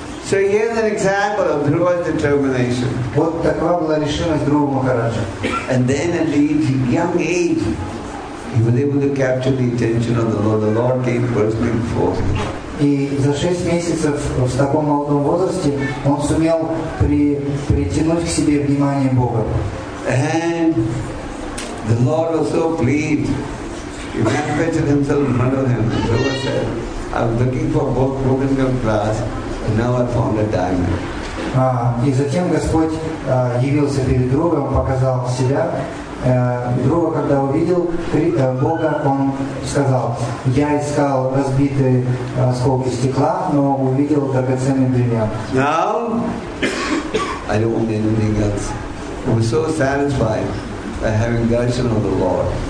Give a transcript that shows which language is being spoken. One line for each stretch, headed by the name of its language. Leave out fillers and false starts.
English: So here's an example of Dhruva's determination.
Russian: Вот такова была решимость Друвы Махараджа.
English: And then at the young age, he was able to capture the attention of the Lord. The Lord came personally before him.
Russian: И за 6 месяцев в таком молодом возрасте он сумел притянуть к себе внимание Бога.
English: And the Lord was so pleased. He manifested himself in front of him. The Lord said, I was looking for both broken glass and now I found a diamond.
Russian: И затем Господь явился перед другом, показал себя. Друга, когда увидел Бога, он сказал, я искал разбитые осколки стекла, но увидел драгоценный бриллиант.
English: Now, I don't want anything else. He was so satisfied by having darshan of the Lord.